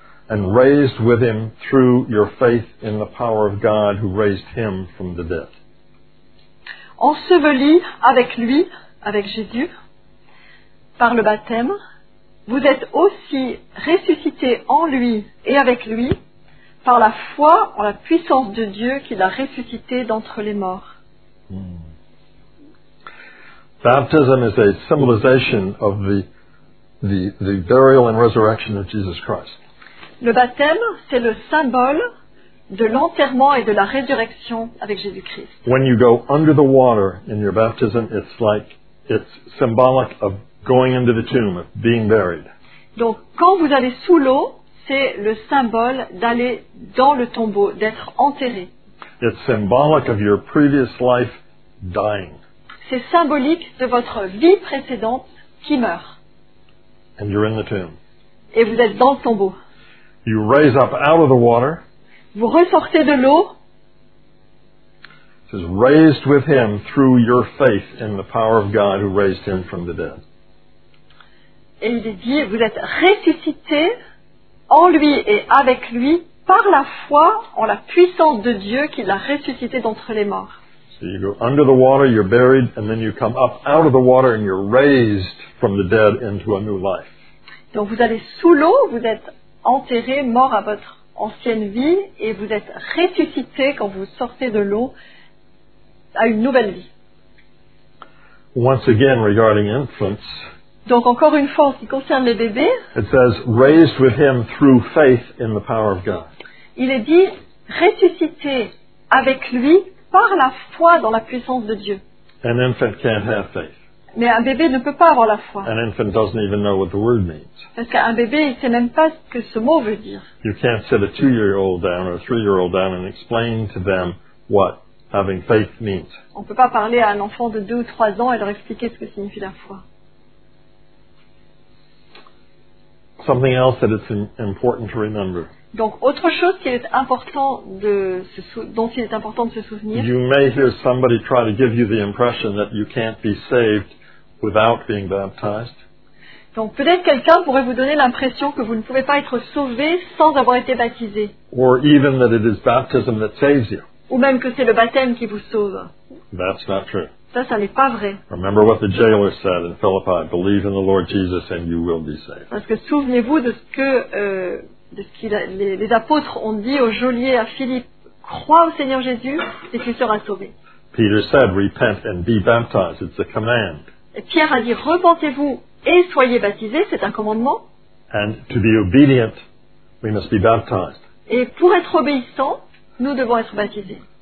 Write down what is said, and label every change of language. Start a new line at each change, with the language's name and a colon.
English: And raised with him through your faith in the power of God who raised him from the dead.
French: Enseveli avec lui, avec Jésus, par le baptême, vous êtes aussi ressuscité en lui et avec lui par la foi en la puissance de Dieu qui l'a ressuscité d'entre les morts.
English: Baptism is a symbolization of the burial and resurrection of Jesus Christ.
French: Le baptême, c'est le symbole de l'enterrement et de la résurrection avec Jésus-Christ.
English: When you go under the water in your baptism, it's like it's symbolic of going into the tomb, of being buried.
French: Donc, quand vous allez sous l'eau, c'est le symbole d'aller dans le tombeau, d'être enterré.
English: It's symbolic of your previous life dying.
French: C'est symbolique de votre vie précédente qui meurt.
English: And you're in the tomb.
French: Et vous êtes dans le tombeau.
English: You raise up out of the water.
French: Vous ressortez de l'eau.
English: It says raised with him through your faith in the power of God who raised him from the dead.
French: Et il est dit, vous êtes ressuscité en lui et avec lui par la foi en la puissance de Dieu qui l'a ressuscité d'entre les morts.
English: So you go under the water, you're buried, and then you come up out of the water and you're raised from the dead into a new life.
French: Donc vous allez sous l'eau, vous êtes enterré, mort à votre ancienne vie, et vous êtes ressuscité quand vous sortez de l'eau à une nouvelle vie.
English: Once again, regarding infants,
French: donc encore une fois, en ce qui concerne les bébés,
English: it says, raised with him through faith in the power of God.
French: Il est dit ressuscité avec lui par la foi dans la puissance de Dieu.
English: An infant can't have faith.
French: Mais un bébé ne peut pas avoir la foi.
English: An infant doesn't even know what the word means.
French: Parce qu'un bébé, il ne sait même pas ce que ce mot veut dire.
English: You can't sit a 2-year-old down or a 3-year-old down and explain to them what having faith means.
French: On ne peut pas parler à un enfant de 2 ou 3 ans et leur expliquer ce que signifie la foi.
English: Something else that it's important to remember.
French: Donc, autre chose qu'il est important de se dont il est important de se souvenir.
English: You may hear somebody try to give you the impression that you can't be saved without being baptized.
French: Donc, peut-être quelqu'un pourrait vous donner l'impression que vous ne pouvez pas être sauvé sans avoir été baptisé.
English: Or even that it is baptism that saves you.
French: Ou même que c'est le baptême qui vous sauve.
English: That's not true.
French: Ça n'est pas vrai.
English: Remember what the jailer said in Philippi: believe in the Lord Jesus and you will be saved.
French: Parce que souvenez-vous de ce que les apôtres ont dit au geôlier à Philippe: crois au Seigneur Jésus et tu seras sauvé.
English: Peter said, "Repent and be baptized." It's a command.
French: Et Pierre a dit, repentez-vous et soyez baptisés. C'est un commandement.
English: And to be obedient, we must be baptized.
French: Et pour être obéissant, nous devons être baptisés.